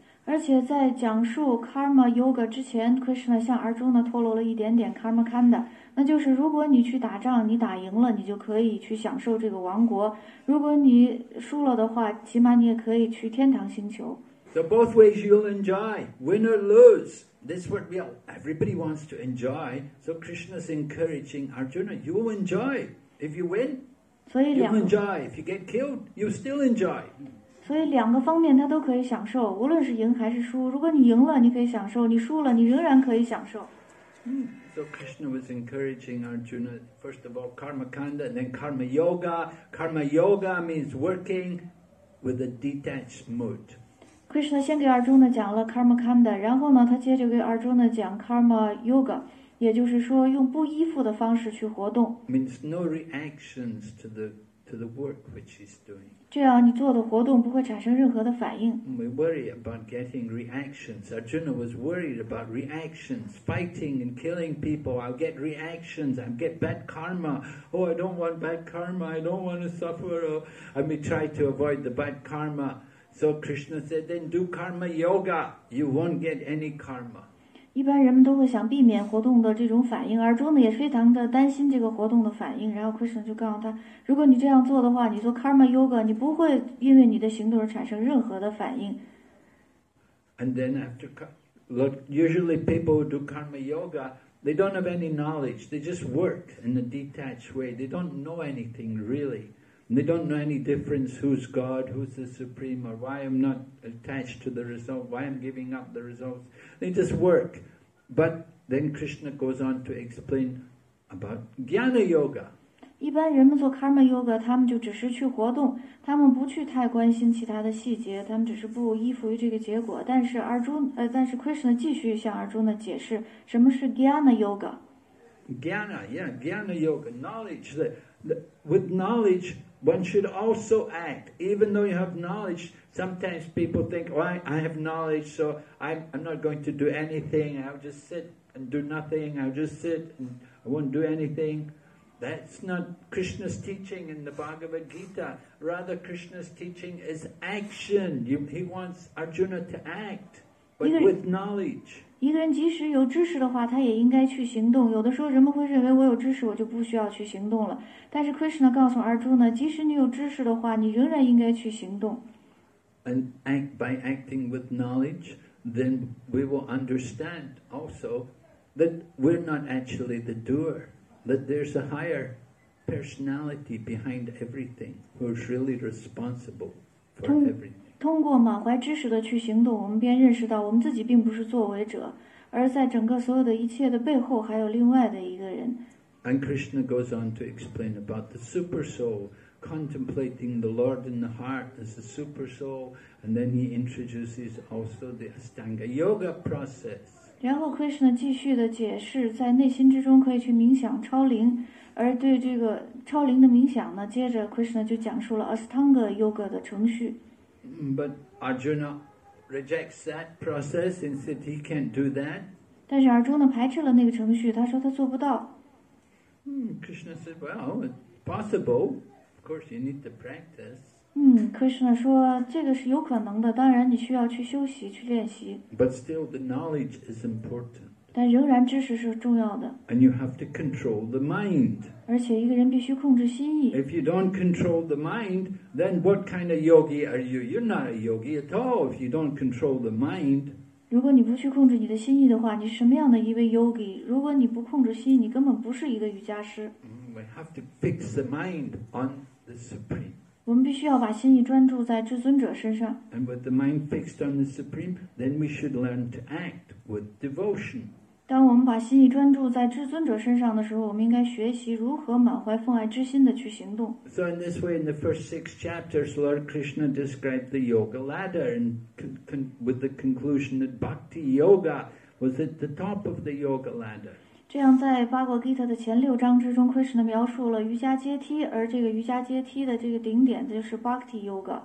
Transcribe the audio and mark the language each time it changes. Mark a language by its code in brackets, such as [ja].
[zh] 而且在讲述 Karma Yoga 之前 Krishna 向 Arjuna 透露了一点点 Karma Kanda 那就是如果你去打仗你打赢了你就可以去享受这个王国如果你输了的话起码你也可以去天堂星球 [en] So both ways you'll enjoy win or lose This is what everybody wants to enjoy So Krishna's encouraging Arjuna You will enjoy if you win You'll enjoy if you get killed You'll still enjoy [zh] 所以两个方面他都可以享受无论是赢还是输如果你赢了你可以享受你输了你仍然可以享受、 [en] So Krishna was encouraging Arjuna first of all Karma Kanda and then Karma Yoga Karma Yoga means working with a detached mood. [zh] Krishna 先给 Arjuna 讲了 Karma Kanda， 然后呢，他接着给 Arjuna 讲 Karma Yoga， 也就是说用不依附的方式去活动。 [en] Means no reactions to the work which he's doing. [zh] 这样你做的活动不会产生任何的反应。 [en] And we worry about getting reactions. Arjuna was worried about reactions, fighting and killing people. I'll get reactions. I'll get bad karma. Oh, I don't want bad karma. I don't want to suffer. Oh, I may try to avoid the bad karma. So Krishna said, then do karma yoga, you won't get any karma. [zh] 一般人们都会想避免活动的这种反应，而Arjuna也非常的担心这个活动的反应，然后 Krishna 就告诉他，如果你这样做的话，你做 karma yoga, 你不会因为你的行动而产生任何的反应。 [en] And then after, usually people who do karma yoga, they don't have any knowledge, they just work in a detached way, they don't know anything really. They don't know any difference, who's God, who's the Supreme, or why I'm not attached to the result, why I'm giving up the results. They just work. But then Krishna goes on to explain about Jnana Yoga. [zh] 一般人们做 Karma Yoga, 他们就只是去活动，他们不去太关心其他的细节，他们只是不依附于这个结果。但是 Krishna 继续向 Arjuna 解释什么是 Jnana Yoga。 [en] Jnana, yeah, Jnana Yoga, knowledge. With knowledge... One should also act. Even though you have knowledge, sometimes people think, oh, I have knowledge, so I'm not going to do anything. I'll just sit and do nothing. I'll just sit and I won't do anything. That's not Krishna's teaching in the Bhagavad Gita. Rather, Krishna's teaching is action. He wants Arjuna to act, but with knowledge. [zh] 一个人即使有知识的话，他也应该去行动。有的时候人们会认为我有知识，我就不需要去行动了。但是 Krishna 告诉 Arjuna， 即使你有知识的话，你仍然应该去行动。 [en] And act by acting with knowledge, then we will understand also that we're not actually the doer, that there's a higher personality behind everything who's really responsible for everything. [zh] 通过满怀知识的去行动，我们便认识到我们自己并不是作为者，而在整个所有的一切的背后还有另外的一个人。 [en] And Krishna goes on to explain about the super soul contemplating the Lord in the heart as the super soul, and then he introduces also the Ashtanga Yoga process. [zh] 然后 Krishna 继续的解释，在内心之中可以去冥想超灵，而对这个超灵的冥想呢，接着 Krishna 就讲述了 Ashtanga Yoga 的程序。 [en] But Arjuna rejects that process and said he can't do that. [zh] 但是 Arjuna 排斥了那个程序，他说他做不到。 [en] Krishna said, well, it's possible. Of course, you need to practice. [zh] Krishna 说这个是有可能的，当然你需要去休息，去练习。 [en] But still, the knowledge is important. [zh] 但仍然知识是重要的。 [en] And you have to control the mind. [zh] 而且一个人必须控制心意。 [en] If you don't control the mind, then what kind of yogi are you? You're not a yogi at all if you don't control the mind. [zh] 如果你不去控制你的心意的话，你是什么样的一位 yogi? 如果你不控制心意，你根本不是一个瑜伽师。 [en] We have to fix the mind on the Supreme. [zh] 我们必须要把心意专注在至尊者身上。 [en] And with the mind fixed on the Supreme, then we should learn to act with devotion. [zh] 当我们把心意专注在至尊者身上的时候，我们应该学习如何满怀奉爱之心的去行动。 [en] So in this way, in the first six chapters, Lord Krishna described the yoga ladder, and with the conclusion that bhakti yoga was at the top of the yoga ladder. [zh] 这样，在巴格吉塔的前六章之中 ，Krishna 描述了瑜伽阶梯，而这个瑜伽阶梯的这个顶点就是 bhakti yoga.